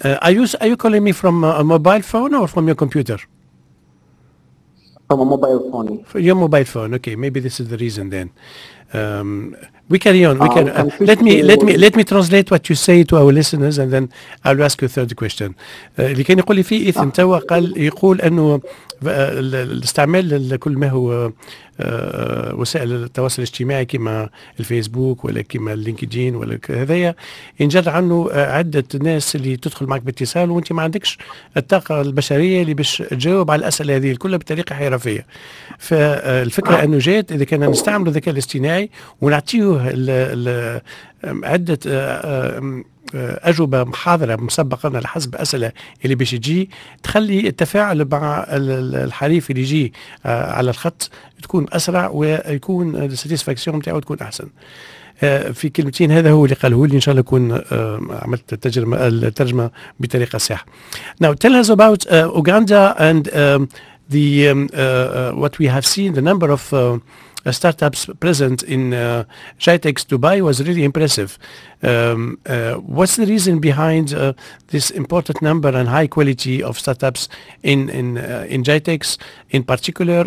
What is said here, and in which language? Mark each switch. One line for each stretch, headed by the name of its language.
English: Are you calling me from a mobile phone or from your computer? From a mobile phone. For your mobile phone. Okay, maybe this is the reason then. We carry on. Let me translate what you say to our listeners, and then I'll ask you a third question.
Arabic: اللي كان يقول لي فيه إيثان توا قال يقول إنه الاستعمال لكل ما هو وسائل التواصل الاجتماعي كما الفيسبوك ولا كما اللينكدين ولا هذايا ينجر عنه عدة ناس اللي تدخل معك باتصال وانت ما عندكش الطاقة البشرية اللي باش تجاوب على الأسئلة هذه كلها بطريقة حرفية. فالفكرة انه جات اذا كان نستعمل الذكاء الاصطناعي ونعطيه عدة أجوبة محاضرة مسبقا على حسب أسئلة اللي باش يجي تخلي التفاعل مع الحريف اللي يجي على الخط تكون أسرع ويكون الساتيسفاكسيون نتاعو تكون أحسن. في كلمتين هذا هو اللي قاله لي إن شاء الله أكون عملت الترجمة بطريقة صحيحة.
English: Now tell us about Uganda and the what we have seen, the number of startups present in Jitex Dubai was really impressive. What's the reason behind this important number and high quality of startups in Jitex in particular?